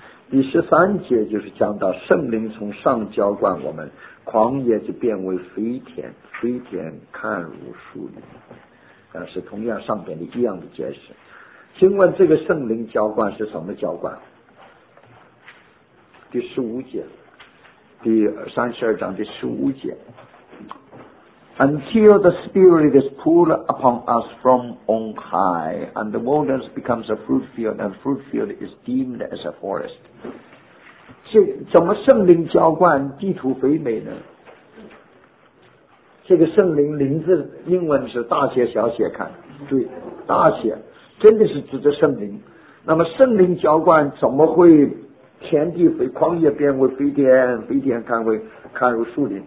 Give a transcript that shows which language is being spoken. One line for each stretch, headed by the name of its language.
Chinese: 第13节就是讲到圣灵从上浇灌我们，旷野就变为肥田，肥田看如树林，但是同样上边的一样的解释。请问这个圣灵浇灌是什么浇灌？第15节，第32章第15节，
English: Until the Spirit is poured upon us from on high, and the wilderness becomes a fruit field, and fruit field is deemed as a forest.
Chinese: 这怎么圣灵浇灌地土肥美呢？这个圣灵灵字英文是大写小写看，对，大写真的是指着圣灵。那么圣灵浇灌怎么会田地肥，旷野变为肥田，肥田看为看如树林？